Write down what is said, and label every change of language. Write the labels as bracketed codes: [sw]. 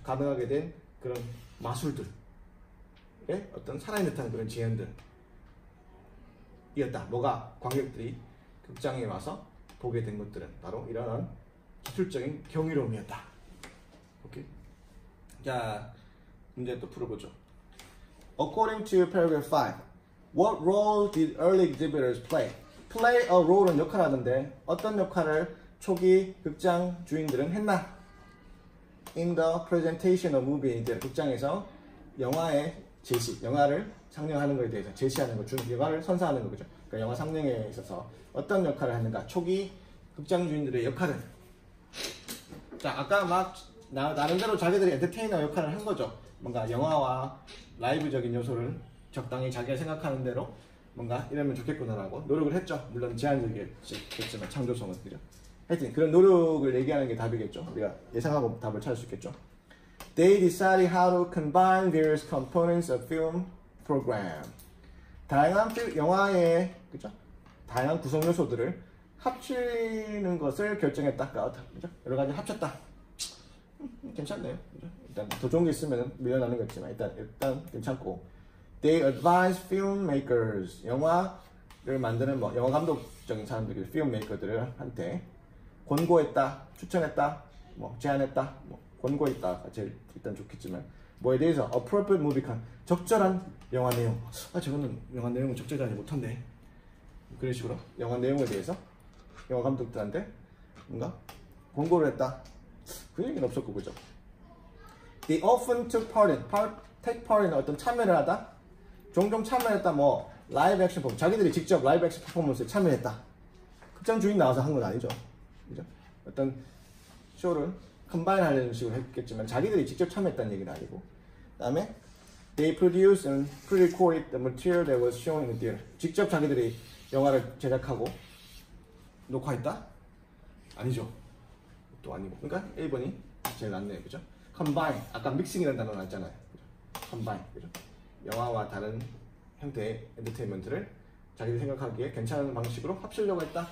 [ko] 가능하게 된 그런 마술들. 예? 어떤 살아있는 듯한 그런 재현들. 이었다. 뭐가 관객들이 극장에 와서 보게 된 것들은 바로 이러한 기술적인 경이로움이었다. 오케이. 자, 문제 또 풀어보죠. [en] According to paragraph 5, what role did early exhibitors play? [ko] Play a role 은 역할하던데 어떤 역할을 초기 극장 주인들은 했나? In the presentation of movie, 이제 극장에서 영화의 제시, 영화를 상영하는 것에 대해서 제시하는 것, 주는 결과를 선사하는 거죠. 그러니까 영화 상영에 있어서 어떤 역할을 하는가? 초기 극장 주인들의 역할은? 자, 아까 막 나름대로 자기들이 엔터테이너 역할을 한 거죠. 뭔가 영화와 라이브적인 요소를 적당히 자기가 생각하는 대로 뭔가 이러면 좋겠구나라고 노력을 했죠. 물론 제한적이겠지만 창조성은 그죠. 하여튼 그런 노력을 얘기하는 게 답이겠죠. 우리가 예상하고 답을 찾을 수 있겠죠. [en] They decided how to combine various components of film program. [ko] 다양한 영화의 그죠? 다양한 구성 요소들을 합치는 것을 결정했다. 그죠? 여러 가지 합쳤다. 괜찮네요. 그죠? 일단 더 좋은 게 있으면 밀려나는 거지만 일단 괜찮고. They advise filmmakers, 영화를 만드는 뭐 영화 감독적인 사람들, filmmaker들한테 권고했다, 추천했다, 뭐 제안했다, 뭐 권고했다, 제일 일단 좋겠지만 뭐에 대해서 appropriate movie con, 적절한 영화 내용. 아, 저거는 영화 내용은 적절하지 못한데 그런 식으로 영화 내용에 대해서 영화 감독들한테 뭔가 권고를 했다. 그 얘기는 없었고 그죠? They often took part in, take part in 어떤 참여를 하다. 종종 참여했다. 뭐 라이브 액션 퍼포먼스, 자기들이 직접 라이브 액션 퍼포먼스에 참여했다. 극장 주인 나와서 한 건 아니죠. 그죠? 어떤 쇼를 컴바인 하려는 식으로 했겠지만 자기들이 직접 참여했다는 얘기는 아니고. [en] 그 다음에 They produced and pre-recorded the material that was shown in the theater. [ko] 직접 자기들이 영화를 제작하고 녹화했다? 아니죠. 또 아니고. 그러니까 1번이 제일 낫네요. 그죠? Combine. 아까 믹싱이라는 단어 나왔잖아요. Combine. 그죠? 영화와 다른 형태의 엔터테인먼트를 자기들 생각하기에 괜찮은 방식으로 합치려고 했다.